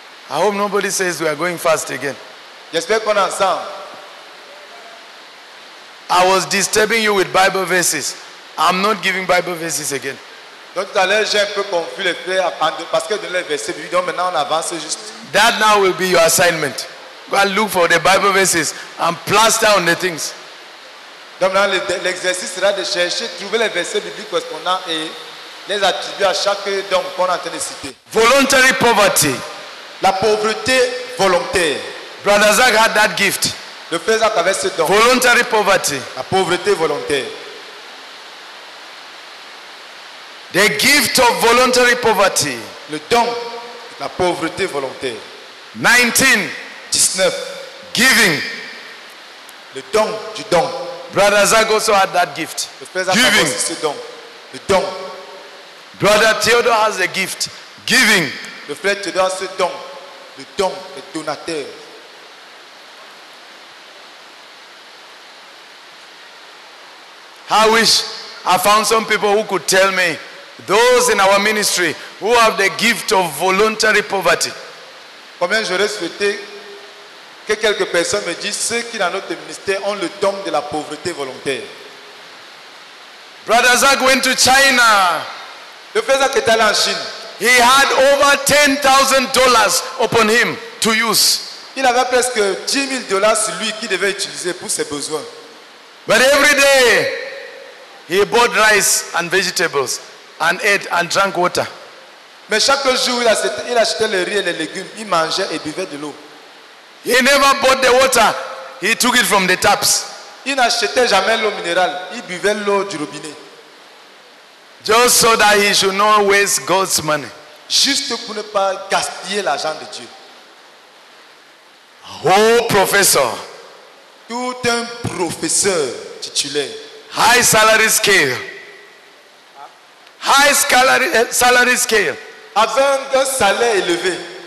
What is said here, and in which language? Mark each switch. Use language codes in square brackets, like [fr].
[en] I hope nobody says we are going fast again. [fr] J'espère qu'on est ensemble. [en] I was disturbing you with Bible verses. I'm not giving Bible verses again. [fr] Donc tout à l'heure j'ai un peu confus les faits parce que je donnais les versets. Donc maintenant on avance juste. [en] That now will be your assignment. Go and look for the Bible verses and plaster on the things. [fr] Donc maintenant l'exercice sera de chercher, trouver les versets bibliques correspondants et les attribuer à chaque don qu'on a cité. [en] Voluntary poverty. [fr] La pauvreté volontaire. [en] Brother Zach had that gift. [fr] Le frère Zach avait ce don. [en] Voluntary poverty. [fr] La pauvreté volontaire. [en] The gift of voluntary poverty. [fr] Le don de la pauvreté volontaire. [en] 19. [fr] 19. [en] Giving. [fr] Le don du don. [en] Brother Zach also had that gift. [fr] Le frère Zach [en] giving. [fr] Avait ce don. Le don. [en] Brother Theodore has a gift. Giving. [fr] Le frère Theodore a ce don. Le don, le donateur. [en] I wish I found some people who could tell me those in our ministry who have the gift of voluntary poverty. [fr] Combien j'aurais souhaité que quelques personnes me disent ceux qui dans notre ministère ont le don de la pauvreté volontaire. [en] Brother Zach went to China. [fr] Le frère Zach est allé en Chine. [en] He had over $10,000 upon him to use. [fr] Il avait presque 10 000 dollars sur lui qu'il devait utiliser pour ses besoins. [en] But every day he bought rice and vegetables and ate and drank water. [fr] Mais chaque jour il achetait le riz et les légumes, il mangeait et buvait de l'eau. [en] He never bought the water. He took it from the taps. [fr] Il n'achetait jamais l'eau minérale, il buvait l'eau du robinet. [en] Just so that he should not waste God's money. [fr] Juste pour ne pas gaspiller l'argent de Dieu. Oh, professeur. Tout un professeur titulaire. [en] High salary scale. High salary scale. [fr] Avec un salaire élevé.